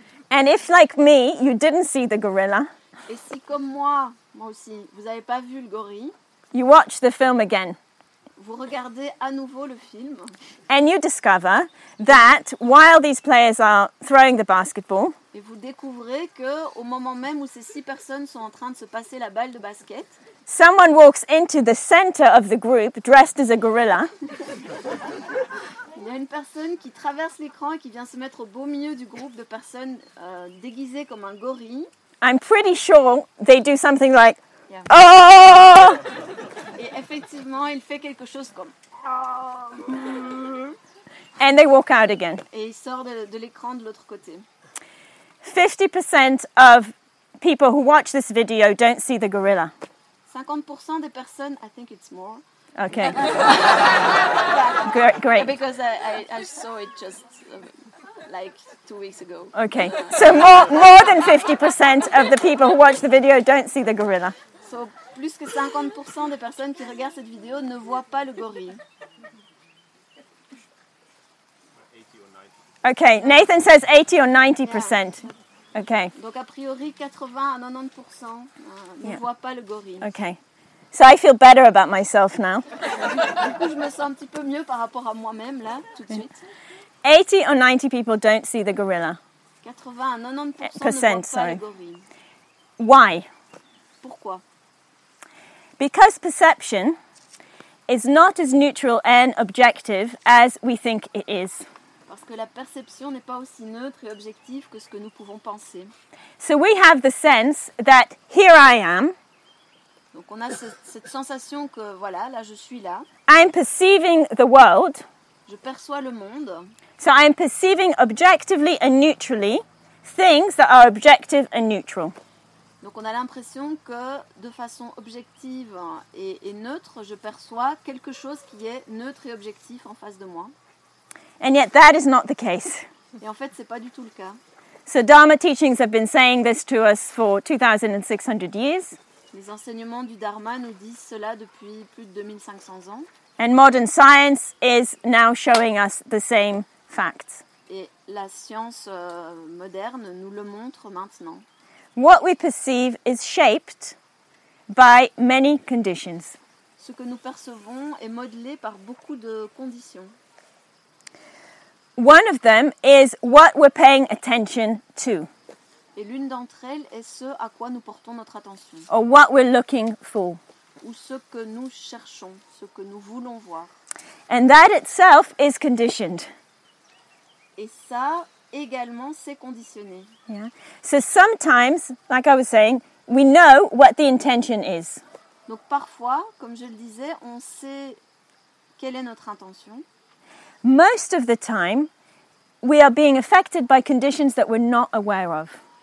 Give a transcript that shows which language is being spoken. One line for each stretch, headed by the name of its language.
English: And if, like me, you didn't see the gorilla,
French: et si comme moi aussi, vous n'avez pas vu le gorille,
English: you watch the film again.
French: Vous regardez à nouveau le film.
English: And you discover that while these players are throwing the basketball,
French: et vous découvrez que au moment même où ces six personnes sont en train de se passer la balle de basket,
English: someone walks into the center of the group dressed as a gorilla.
French: Il y a une personne qui traverse l'écran et qui vient se mettre au beau milieu du groupe de personnes déguisées comme un gorille.
English: I'm pretty sure they do something like, yeah. Oh!
French: Et effectivement, il fait quelque chose comme, oh!
English: And they walk out again.
French: Et il sort de l'écran de l'autre côté.
English: 50% of people who watch this video don't see the gorilla.
French: 50% des personnes,
English: I think it's more. Okay. Yeah. Great. Because I saw it just like 2 weeks ago. Okay. So more than 50% of the people who watch the video don't see the gorilla.
French: So plus que 50% des personnes qui regardent cette vidéo ne voient pas le gorille.
English: Okay. Nathan says 80 or 90%. Yeah. Okay.
French: Donc a priori 80 à 90% ne voit pas le gorille.
English: Okay. So I feel better about myself now.
French: Du coup, je me sens un petit peu mieux par rapport à moi-même là tout de suite.
English: 80 or 90 people don't see the gorilla.
French: 80 à 90% ne voit pas le gorille.
English: Why?
French: Pourquoi?
English: Because perception is not as neutral and objective as we think it is.
French: Parce que la perception n'est pas aussi neutre et objective que ce que nous pouvons penser.
English: So we have the sense that here I am.
French: Donc on a cette sensation que voilà, là je suis là.
English: I'm perceiving the world.
French: Je perçois le monde.
English: So I'm perceiving objectively and neutrally things that are objective and neutral.
French: Donc on a l'impression que de façon objective et neutre, je perçois quelque chose qui est neutre et objectif en face de moi.
English: And yet that is not the case.
French: Et en fait, c'est pas du tout le cas.
English: So Dharma teachings have been saying this to us for 2600 years.
French: Les enseignements du Dharma nous disent cela depuis plus de 2500 ans.
English: And modern science is now showing us the same facts.
French: Et la science moderne nous le montre maintenant.
English: What we perceive is shaped by many conditions.
French: Ce que nous percevons est modelé par beaucoup de conditions.
English: One of them is what we're paying attention to.
French: Et l'une d'entre elles est ce à quoi nous portons notre attention.
English: Or what we're looking for.
French: Ou ce que nous cherchons, ce que nous voulons voir.
English: And that itself is conditioned.
French: Et ça également c'est conditionné. Yeah.
English: So sometimes, like I was saying, we know what the intention is.
French: Donc parfois, comme je le disais, on sait quelle est notre intention.
English: Most of the time, we are being affected by conditions that we're not aware of.